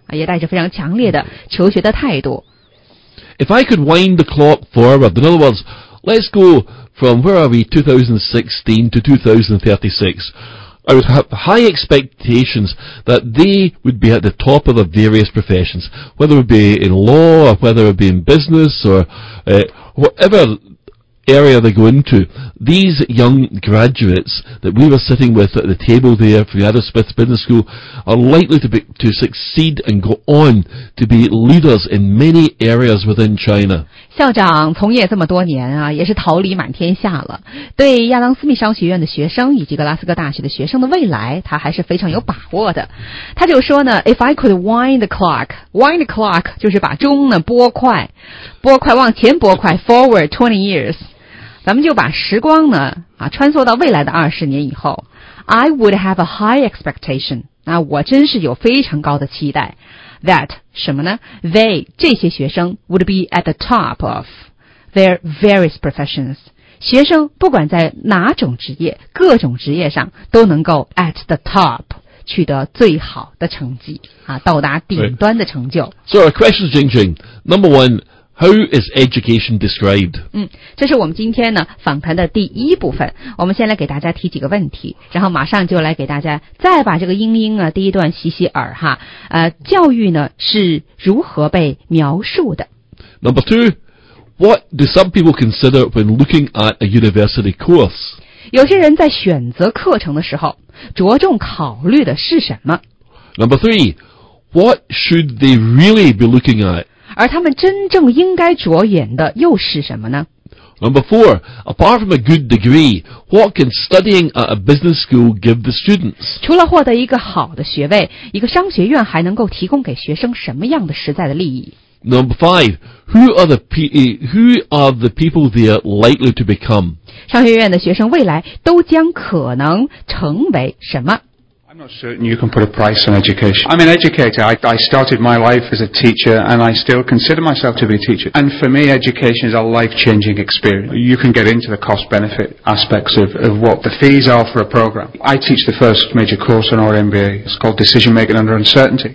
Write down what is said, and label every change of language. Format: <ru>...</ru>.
<zh>也带着非常强烈的求学的态度。</zh> <en>If I could wind the clock forward, in other words, let's go from where are we, 2016 to 2036, I would have high expectations that they would be at the top of the various professions, whether it be in law or whether it be in business or whatever area they go into. These young graduates that we were sitting with at the table there from the Adam Smith Business School are likely to succeed and go on to be leaders in many areas within China.</en> <zh>校长从业这么多年啊，也是桃李满天下了。对亚当斯密商学院的学生以及格拉斯哥大学的学生的未来，他还是非常有把握的。他就说呢 ，</zh> <en>If I could wind the clock， wind the clock</en> <zh>就是把钟呢拨快，拨快往前拨快 ，</zh> <en>forward 20 years。</en> <zh>咱们就把时光呢啊穿梭到未来的二十年以后 ，</zh> <en>I would have a high expectation。</en> <zh>那我真是有非常高的期待 ，that 什么呢 ？</zh> <en>They</en> <zh>这些学生</zh> <en>would be at the top of their various professions。</en> <zh>学生不管在哪种职业，各种职业上都能够</zh> <en>at the top</en> <zh>取得最好的成绩啊，到达顶端的成就。</zh> <en>So our question, Jingjing, number one. How is education described?</en> <zh>这是我们今天呢访谈的第一部分。我们先来给大家提几个问题，然后马上就来给大家再把这个英英啊第一段洗洗耳哈。教育呢是如何被描述的</zh> <en>？Number two, what do some people consider when looking at a university course?</en> <zh>有些人在选择课程的时候，着重考虑的是什么</zh> <en>？Number three, what should they really be looking at?</en> <zh>而他们真正应该着眼的又是什么呢</zh> <en>？Number four, apart from a good degree, what can studying at a business school give the students?</en> <zh>除了获得一个好的学位，一个商学院还能够提供给学生什么样的实在的利益</zh> <en>？Number five, who are the people they are likely to become?</en> <zh>商学院的学生未来都将可能成为什么？</zh> <en>I'm not certain you can put a price on education. I'm an educator. I started my life as a teacher and I still consider myself to be a teacher. And for me, education is a life-changing experience. You can get into the cost-benefit aspects of what the fees are for a program. I teach the first major course in our MBA. It's called Decision Making Under Uncertainty.</en>